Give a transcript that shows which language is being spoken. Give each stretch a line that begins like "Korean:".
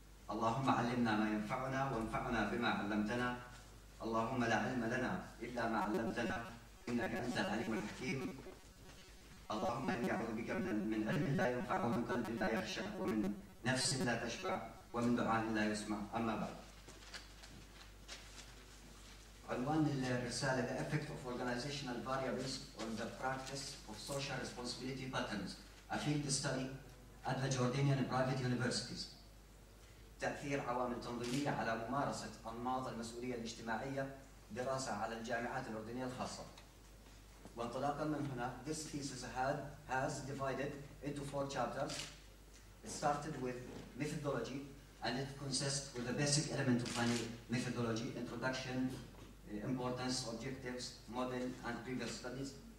Arabic: اللهم علمنا ما ينفعنا وانفعنا بما علمتنا، اللهم لا علم لنا إلا ما علمتنا إنك أنت العليم الحكيم. اللهم إني أعوذ بك من علم لا ينفع ومن قلب لا يخشع ومن نفس لا تشبع ومن دعاء لا يسمع. أما بعد، عنوان الرسالة
English: The effect of organizational variables on the practice of social responsibility patterns, a field study at the Jordanian private universities.
Arabic: تأثير عوامل تنظيمية على ممارسة أنماط المسؤولية الاجتماعية، دراسة على الجامعات الأردنية الخاصة. وانطلاقا من هنا،
English: this thesis has divided into four chapters. It started with methodology and it consists with the basic element of any methodology: introduction, importance, objectives, model and previous studies.